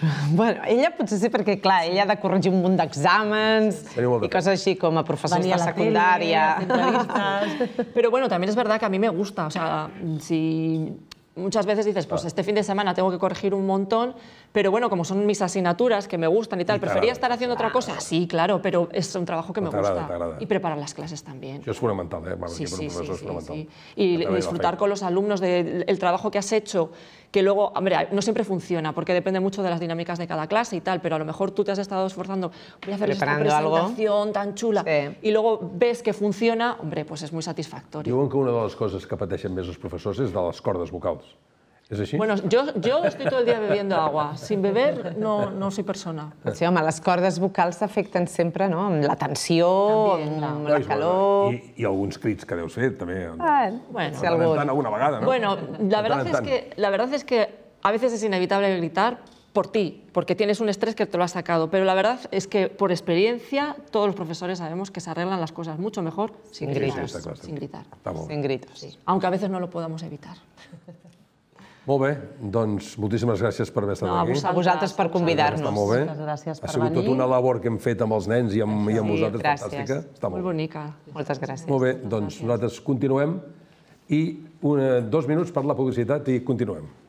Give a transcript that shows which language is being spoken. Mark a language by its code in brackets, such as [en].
[ca] Bueno, ella potser sí, perquè, clar, ella ha de corregir un munt d'exàmens i coses així com a professors de secundària. Però, bueno, també és veritat que a mi m'agrada. O sigui, [es] muchas veces dices, pues este fin de semana tengo que corregir un montón, pero bueno, como son mis asignaturas que me gustan y tal, prefería estar haciendo otra cosa. Sí, claro, pero es un trabajo que me gusta. Y preparar las clases también. Eso es fundamental, ¿eh? Sí, sí, sí, eso es fundamental. Sí, sí. Y disfrutar con los alumnos del trabajo que has hecho, que luego, hombre, no siempre funciona, porque depende mucho de las dinámicas de cada clase y tal, pero a lo mejor tú te has estado esforzando, voy a hacer esta presentación tan chula, y luego ves que funciona, hombre, pues es muy satisfactorio. [ca] Diuen que una de les coses que pateixen més els professors és de les cordes vocals. [es] ¿Es así? Bueno, yo estoy todo el día bebiendo agua. Sin beber no soy persona. [ca] Sí, home, les cordes vocals t'afecten sempre, no? Amb la tensió, amb la calor... I alguns crits que deus fer, també. Bueno, si algú... Tant alguna vegada, no? [es] Bueno, la verdad es que a veces es inevitable gritar por ti, porque tienes un estrés que te lo has sacado, pero la verdad es que, por experiencia, todos los profesores sabemos que se arreglan las cosas mucho mejor sin gritos. Sin gritar. Sin gritos. Aunque a veces no lo podamos evitar. [ca] Molt bé, doncs moltíssimes gràcies per haver estat aquí. A vosaltres per convidar-nos. Està molt bé. Gràcies per venir. Ha sigut tota una labor que hem fet amb els nens i amb vosaltres, fantàstica. Està molt bonica. Moltes gràcies. Molt bé, doncs nosaltres continuem. I dos minuts per la publicitat i continuem.